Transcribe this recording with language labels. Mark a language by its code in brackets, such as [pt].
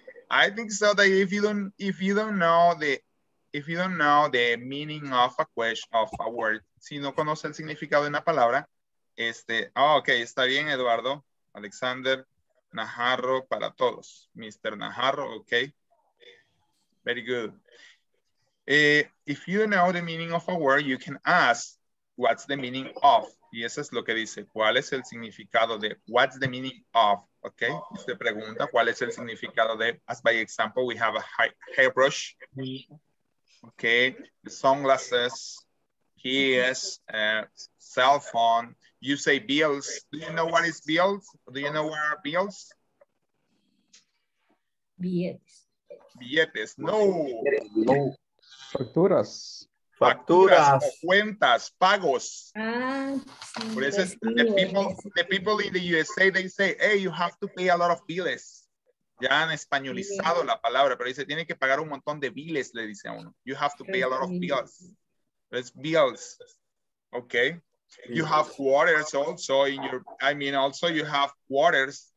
[en] I think so that if you don't know the meaning of a question of a word, [es] si no conoce el significado de una palabra, [en] okay, [es] está bien, [en] Eduardo, Alexander, Najarro [es] para todos. [en] Mr. Najarro, okay. Very good. If you don't know the meaning of a word, you can ask what's the meaning of. [es] Y eso es lo que dice, ¿cuál es el significado de? [en] What's the meaning of? [es] Okay, usted pregunta, ¿cuál es el significado de? [en] As by example, we have a hairbrush. Okay, the sunglasses, he is a cell phone. You say bills. Do you know what is bills? Do you know where are bills? [es] Billetes. No. Facturas. Cuentas, pagos. Ah, [en] sí, the people in the USA, they say, hey, you have to pay a lot of bills. [es] Ya han españolizado la palabra, pero dice, tiene que pagar un montón de bills, le dice a uno. [en] You have to pay a lot of bills. It's bills. Okay. You have quarters also in your, I mean, also you have quarters.